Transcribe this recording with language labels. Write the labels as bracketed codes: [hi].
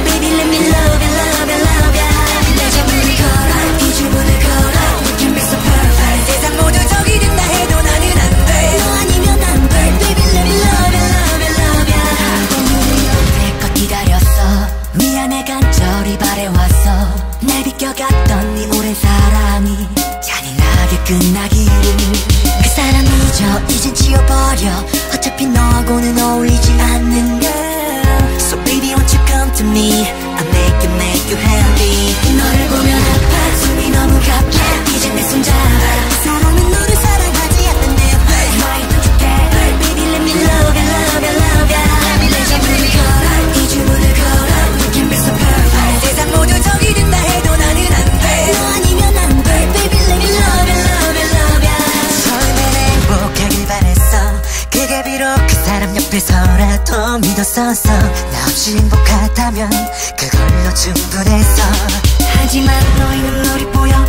[en] Baby, let me love you, love you, love you. [ko] 내 잠을 걸어. 이 주문을 걸어. [en] We can be so perfect. [ko] 세상 모두 적이 된다 해도 나는 안 돼. 너 아니면 안 돼. [en] Baby, let me love you, love you, love you. [ko] 내꺼 기다렸어. 미안해 간절히 바래왔어. 날 비껴갔던 네 오랜 사랑이 잔인하게 끝나기를. 그 사람 잊어 이젠 지워버려. 어차피 너하고는 어울리지 않는 girl. [en] So baby won't you come to me. I'll make you happy. [ko] 너를 보면 아파. 숨이 너무 가파. Yeah. 이제 내 손 잡아. 그 사람은 너를 사랑하지 않는데. [en] Hey. Why don't you care. Hey. Baby let me love you, love you, love you. Let me let you breathe. [ko] 걸어 이 주문을 걸어. [en] We can be so perfect. [ko] 세상 모두 적이 된다 해도 나는 안 돼. 너 아니면 안 돼. [en] Baby let me love you, love you, love you. [ko] 처음엔 행복하길 바랬어. 그게 비록 그 사람 옆에서라도 믿었었어. 나 없이 행복하다면 그걸로 충분했어. 하지만 너의 눈물이 보여.